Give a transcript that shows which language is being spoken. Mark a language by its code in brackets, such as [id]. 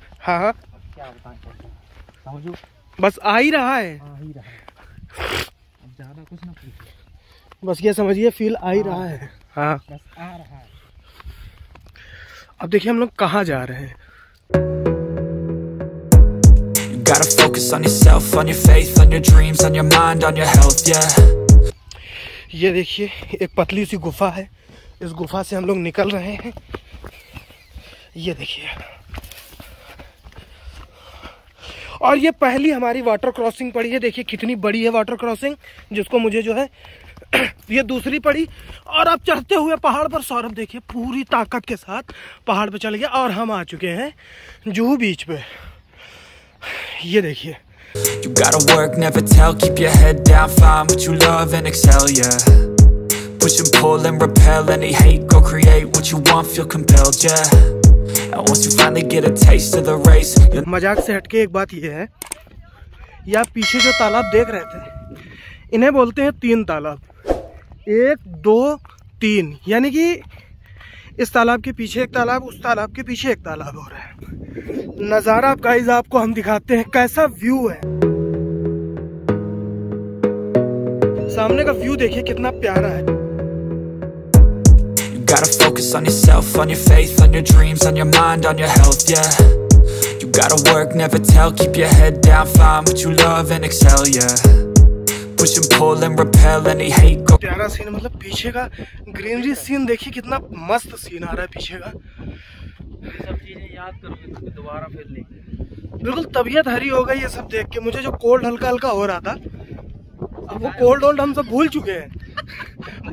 [hi] हाँ हाँ क्या बताएं, समझो बस आ ही रहा है। आ ही रहा है, अब ज्यादा कुछ ना पूछो, बस ये समझिए फील आ ही रहा है। हाँ बस आ रहा है। अब देखिए हम लोग कहाँ जा रहे हैं। [en] Gotta focus on yourself, on your faith, on your dreams, on your mind, on your health, yeah. [hi] ये देखिए एक पतली सी गुफा है, इस गुफा से हम लोग निकल रहे हैं। ये देखिए, और ये पहली हमारी वाटर क्रॉसिंग पड़ी है। देखिए कितनी बड़ी है वाटर क्रॉसिंग, जिसको मुझे जो है ये दूसरी पड़ी। और अब चढ़ते हुए पहाड़ पर सौरभ देखिए पूरी ताकत के साथ पहाड़ पर चल गया और हम आ चुके हैं जुहू बीच पे। ये देखिए [en] You gotta work, never tell, keep your head down, find what you love and excel, yeah. Push and pull and repel any hate, go create what you want, feel compelled, yeah. And once you finally get a taste of the race, you're... [hi] मजाक से हटके एक बात ये है, या पीछे जो तालाब देख रहे थे, इन्हें बोलते हैं तीन तालाब, एक दो तीन, यानी कि इस तालाब के पीछे एक तालाब, उस तालाब के पीछे एक तालाब और है। नजारा गाइस आपको हम दिखाते हैं कैसा व्यू है। सामने का व्यू देखिए कितना प्यारा है। [en] You gotta focus on yourself, on your faith, on your dreams, on your mind, on your health, yeah. You gotta work, never tell, keep your head down, find what you love and excel, yeah. Push and pull and repel any hate. Go. [hi] प्यारा scene, मतलब पीछे का greenery scene देखिए कितना मस्त scene आ रहा है पीछे का। सब चीजें याद करोगे दोबारा फिर नहीं, बिल्कुल तबीयत हरी हो गई है सब देख के। मुझे जो कोल्ड हल्का हल्का हो रहा था, अब वो कोल्ड ओल्ड हम सब भूल चुके हैं।